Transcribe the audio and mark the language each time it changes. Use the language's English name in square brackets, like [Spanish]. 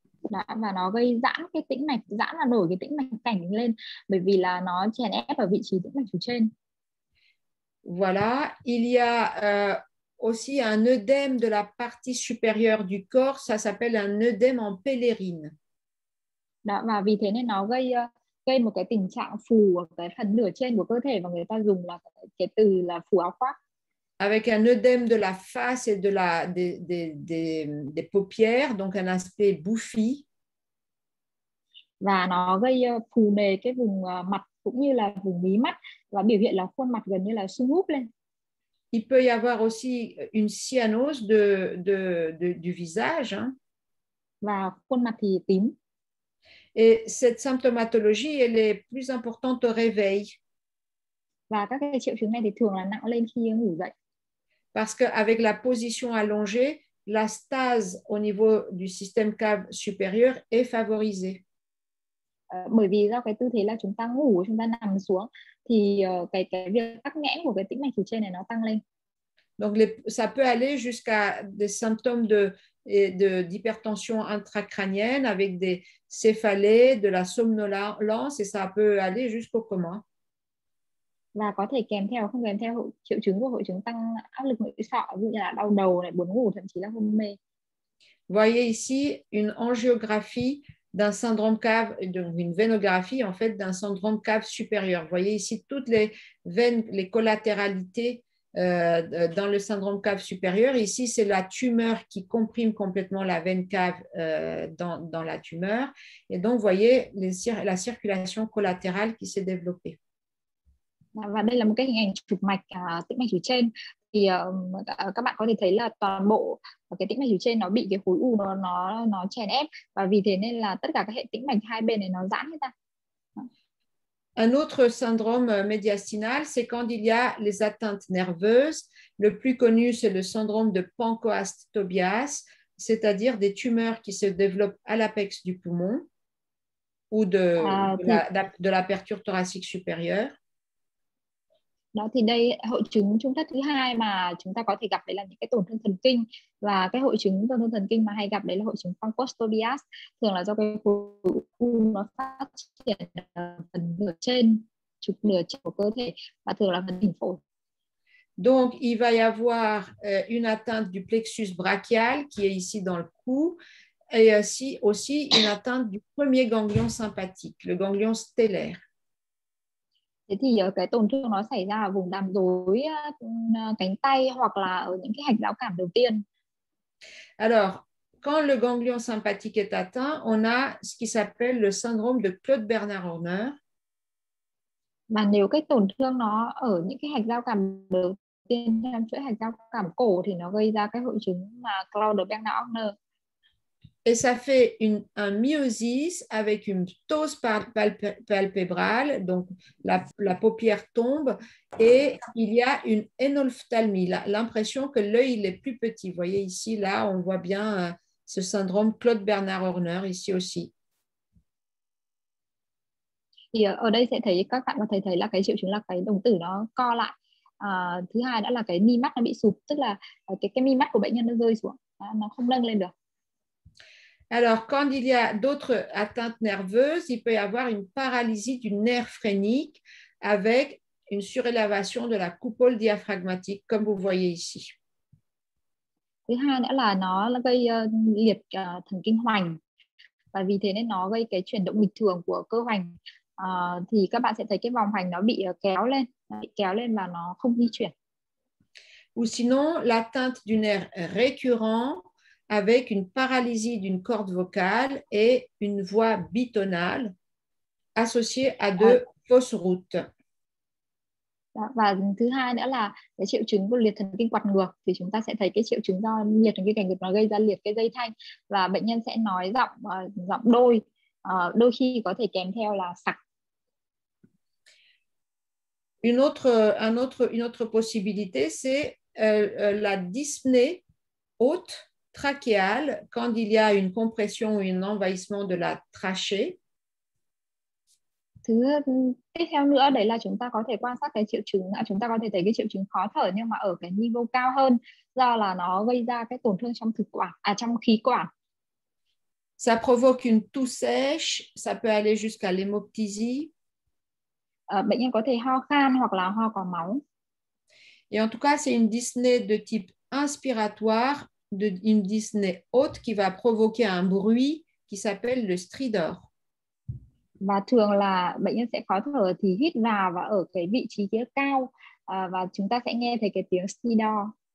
[Vietnamese] Đó, và nó gây giãn cái tĩnh mạch, giãn là nổi cái tĩnh mạch cảnh lên bởi vì là nó chèn ép ở vị trí tĩnh mạch chủ trên. [French] Voilà, il y a aussi un œdème de la partie supérieure du corps, ça s'appelle un œdème en pèlerine. [Vietnamese] Đó, và vì thế nên nó gây gây một cái tình trạng phù ở cái phần nửa trên của cơ thể và người ta dùng là cái từ là phù áo khoác. [French] Avec un œdème de la face et de la des paupières, donc un aspect bouffi. [Vietnamese] Và nó gây phù nề cái vùng mặt cũng như là vùng mí mắt và biểu hiện là khuôn mặt gần như là sưng húp lên. [French] Il peut y avoir aussi une cyanose du visage. Hein. [Vietnamese] Và khuôn mặt thì tím. [French] Et cette symptomatologie, elle est plus importante au réveil. [Vietnamese] Và các cái triệu chứng này thì thường là nặng lên khi ngủ dậy. [French] Parce qu'avec la position allongée, la stase au niveau du système cave supérieur est favorisée. [Vietnamese] Bởi vì do cái tư thế là chúng ta ngủ, chúng ta nằm xuống, thì cái việc tắc nghẽn của cái tĩnh mạch phía trên này nó tăng lên. [French] Donc ça peut aller jusqu'à des symptômes de d'hypertension intracrânienne avec des céphalées, de la somnolence, et ça peut aller jusqu'au coma. [Vietnamese] Và có thể kèm theo không kèm theo triệu chứng của hội chứng tăng áp lực nội sọ ví dụ như là đau đầu này buồn ngủ thậm chí là hôn mê. [French] Voyez ici une angiographie d'un syndrome cave donc une vénographie en fait d'un syndrome cave supérieur. Voyez ici toutes les veines les collatéralités dans le syndrome cave supérieur. Ici c'est la tumeur qui comprime complètement la veine cave dans la tumeur et donc voyez la circulation collatérale qui s'est développée. [Vietnamese] Và đây là một cái hình ảnh chụp mạch tĩnh mạch chủ trên thì các bạn có thể thấy là toàn bộ cái tĩnh mạch chủ trên nó bị cái khối u nó chèn ép và vì thế nên là tất cả các hệ tĩnh mạch hai bên này nó giãn hết ra. [French] Un autre syndrome médiastinal, c'est quand il y a les atteintes nerveuses. Le plus connu, c'est le syndrome de pancoast-tobias, c'est-à-dire des tumeurs qui se développent à l'apex du poumon ou de la aperture thoracique supérieure. [Vietnamese] Đó thì đây hội chứng trung thất thứ hai mà chúng ta có thể gặp đấy là những cái tổn thương thần kinh và cái hội chứng tổn thương thần kinh mà hay gặp đấy là hội chứng pancoast-tobias thường là do cái khối u nó phát triển ở phần nửa trên trục nửa trên của cơ thể và thường là phần đỉnh phổi. [French] Donc il va y avoir une atteinte du plexus brachial qui est ici dans le cou et aussi une atteinte du premier ganglion sympathique, le ganglion stellaire. [Vietnamese] Thế thì cái tổn thương nó xảy ra ở vùng đàm dối cánh tay hoặc là ở những cái hạch giao cảm đầu tiên. [French] Alors, quand le ganglion sympathique est atteint, on a ce qui s'appelle le syndrome de Claude Bernard Horner. [Vietnamese] Mà nếu cái tổn thương nó ở những cái hạch giao cảm đầu tiên trong chuỗi hạch giao cảm cổ thì nó gây ra cái hội chứng mà Claude Bernard Horner. [French] Et ça fait un myosis avec une ptose palpébrale, donc la paupière tombe, et il y a une énophthalmie, l'impression que l'œil est plus petit. Vous voyez ici, là, on voit bien ce syndrome Claude Bernard Horner, ici aussi. [Vietnamese] Et ở đây, các bạn có thể thấy là cái triệu chứng là cái đồng tử nó co lại. Thứ hai đó là cái mi mắt nó bị sụp, tức là cái mi mắt của bệnh nhân nó rơi xuống, nó không nâng lên được. [French] Alors, quand il y a d'autres atteintes nerveuses, il peut y avoir une paralysie du nerf phrénique avec une surélévation de la coupole diaphragmatique, comme vous voyez ici. [Vietnamese] Thứ hai nữa là nó gây liệt thần kinh hoành. Và vì thế nên nó gây cái chuyển động bình thường của cơ hoành. Thì các bạn sẽ thấy cái vòng hoành nó bị kéo lên. Bị kéo lên và nó không di chuyển. [French] Ou sinon, l'atteinte du nerf récurrent avec une paralysie d'une corde vocale et une voix bitonale associée à deux fausse route. [Vietnamese] Và thứ hai nữa là cái triệu chứng của liệt thần kinh quạt ngược thì chúng ta sẽ thấy cái triệu chứng do liệt thần kinh quạt ngược nó gây ra liệt cái dây thanh và bệnh nhân sẽ nói giọng giọng đôi đôi khi có thể kèm theo là sặc. [French] Une autre possibilité c'est la dyspnée haute trachéale quand il y a une compression ou un envahissement de la trachée. [Vietnamese] Thứ tiếp theo nữa đấy là chúng ta có thể quan sát cái triệu chứng, chúng ta có thể thấy cái triệu chứng khó thở nhưng mà ở cái nivô cao hơn do là nó gây ra cái tổn thương trong thực quản, à trong khí quản. [French] Ça provoque une toux sèche, ça peut aller jusqu'à l'hémoptysie. [Vietnamese] Bệnh nhân có thể ho khan hoặc là ho có máu. [French] Et en tout cas, c'est une dyspnée de type inspiratoire, une dyspnée haute qui va provoquer un bruit qui s'appelle le stridor. [Vietnamese] Và thường là bệnh nhân sẽ khó thở thì hít vào và ở cái vị trí kia cao và chúng ta sẽ nghe thấy cái tiếng stridor.